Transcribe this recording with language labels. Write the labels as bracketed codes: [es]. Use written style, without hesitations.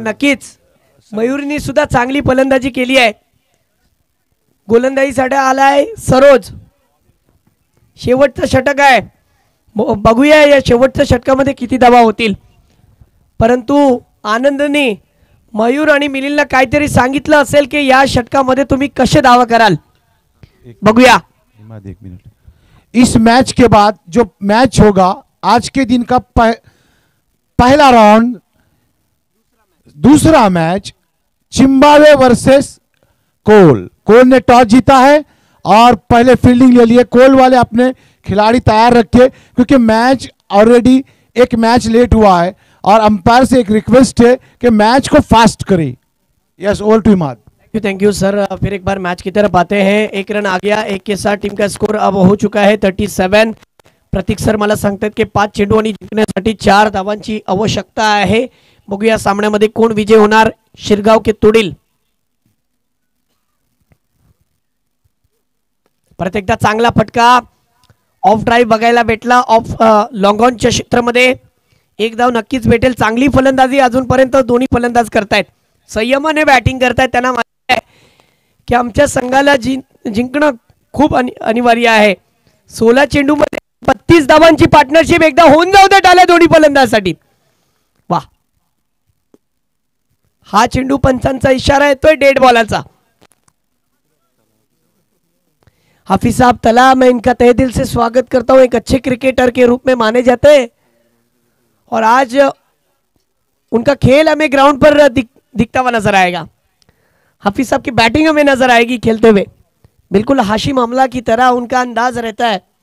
[mr] नक्कीच मयूर ने सुद्धा चांगली फलंदाजी केली आहे गोलंदाजी साठी आलाय सरोज शेवटचा षटक आहे बघूया या शेवटच्या षटकामध्ये किती धावा होतील. परंतु आनंदने मयूर आणि मिलिंदला काहीतरी सांगितलं असेल की या षटकामध्ये तुम्ही कसे धावा कराल, बघूया. एक मिनिट. [hi] इस मैच के बाद जो मैच होगा आज के दिन का पहला राउंड, दूसरा मैच जिम्बाब्वे वर्सेस कोल. कोल ने टॉस जीता है और पहले फील्डिंग ले लिए. कोल वाले अपने खिलाड़ी तैयार रखे क्योंकि मैच ऑलरेडी एक मैच लेट हुआ है और अंपायर से एक रिक्वेस्ट है कि मैच को फास्ट करें. [en] Yes, over to Imad. Thank you sir. [hi] फिर एक बार मैच की तरफ आते हैं. एक रन आ गया, एक के साथ टीम का स्कोर अब हो चुका है 37. [mr] प्रतीक सर मला सांगतात की पाच चेंडू आणि जिंकण्यासाठी चार धावांची आवश्यकता आहे. बघूया सामन्यामध्ये कोण विजय होणार, शिरगाव के तुडील. परत एकदा चांगला फटका, ऑफ ड्राईव्ह बघायला भेटला ऑफ लॉंग ऑनच्या क्षेत्रामध्ये. एक धाव नक्कीच भेटेल. चांगली फलंदाजी अजूनपर्यंत दोन्ही फलंदाज करतायत, संयमाने बॅटिंग करतायत. त्यांना माहिती आहे की आमच्या संघाला जिंकणं खूप अनिवार्य आहे. 16 चेंडू मध्ये 32 धावांची पार्टनरशिप एकदा होऊन जाऊ देत आल्या दोन्ही फलंदाजांसाठी. वा, हा चेंडू पंचांचा इशारा येतोय डेड बॉलाचा. [hi] हाफिज साहब तला मैं इनका तहे दिल से स्वागत करता हूं, एक अच्छे क्रिकेटर के रूप में माने जाते हैं और आज उनका खेल हमें ग्राउंड पर दिखता हुआ नजर आएगा. हाफिज साहब की बैटिंग हमें नजर आएगी खेलते हुए, बिल्कुल हाशिम अमला की तरह उनका अंदाज रहता है.